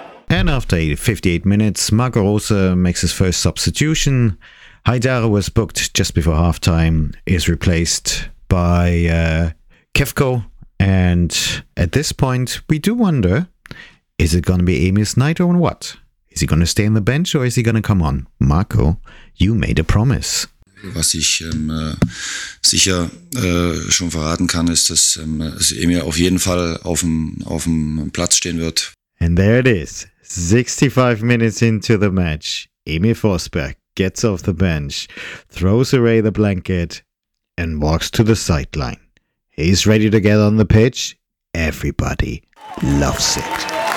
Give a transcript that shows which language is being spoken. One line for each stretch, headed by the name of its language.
English: And after 58 minutes, Marco Rose makes his first substitution. Haidara was booked just before halftime, is replaced by Kefko. And at this point, we do wonder, is it going to be Emil's night or what? Is he going to stay on the bench or is he going to come on? Marco, you made a promise.
German: Was ich sicher schon verraten kann, ist, dass Emil auf jeden Fall auf dem Platz stehen wird.
English: And there it is. 65 minutes into the match, Emil Forsberg gets off the bench, throws away the blanket and walks to the sideline. He's ready to get on the pitch. Everybody loves it.